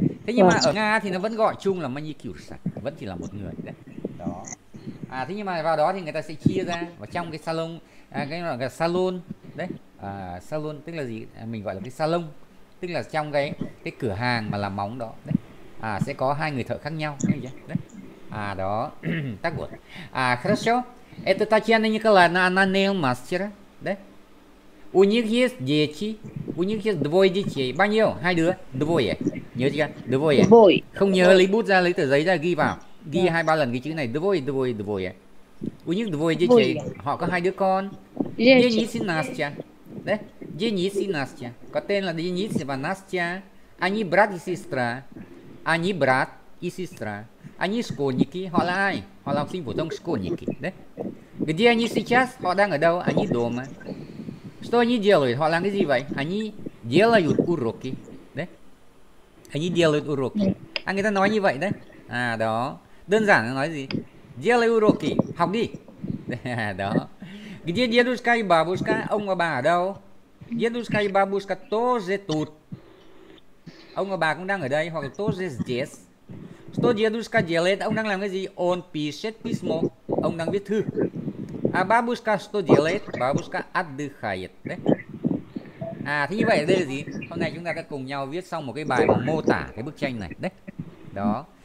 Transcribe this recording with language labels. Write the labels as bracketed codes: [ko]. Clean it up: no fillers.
[vi] Thế nhưng mà ở Nga thì nó vẫn gọi chung là manicure, vẫn chỉ là một người đấy. Đó. À thế nhưng mà vào đó thì người ta sẽ chia ra vào trong cái salon, à, cái gọi là salon đấy. À, salon tức là gì? À, mình gọi là cái salon tức là trong cái cửa hàng mà làm móng đó đấy. À sẽ có hai người thợ khác nhau đấy. Đấy. À đó. [ru] Так вот. А хорошо. Это Татьяна Николаевна, она [en] nail master. [vi] Đấy. [ru] У них есть дети. У них есть двое детей. [vi] Bao nhiêu? Hai đứa. [ru] Двое. [vi] Nhớ chưa? [ru] Двое. Двое. [vi] Không nhớ lấy bút ra, lấy tờ giấy ra ghi vào. Ghi hai ba lần cái chữ này. [ru] Двое, двое, двое. У них двое детей. [vi] Họ có hai đứa con. [ru] Денис и Настя. [vi] Đấy. [ru] Денис и Настя. [vi] Có tên là Денис và Настя. [ru] Они брат и сестра. Они брат и сестра. Они школьники. [vi] Họ là ai? Họ là học sinh phổ thông [ru] школьники. [vi] Đấy. [ru] Где они сейчас? [vi] Họ đang ở đâu? [ru] Они дома. Что они делают? [vi] Họ làm cái gì vậy? [ru] Они делают уроки. [vi] Đấy. [ru] Они делают уроки. [vi] À, người ta nói như vậy đấy. À, đó. Đơn giản là nói gì? [ru] Делают уроки. [vi] Học đi. Đó. [ru] Где дедушка и бабушка? [vi] Ông và bà ở đâu? [ru] Дедушка и бабушка тоже тут. [vi] Ông và bà cũng đang ở đây. Hoặc là [ru] тоже здесь. Что дедушка делает? [vi] Ông đang làm cái gì? [ru] Он пишет письмо. [vi] Ông đang viết thư. [ru] А бабушка что делает? Бабушка отдыхает. [vi] Đấy. À, thế như vậy đây là gì? Hôm nay chúng ta đã cùng nhau viết xong một cái bài mà mô tả cái bức tranh này. Đấy. Đó.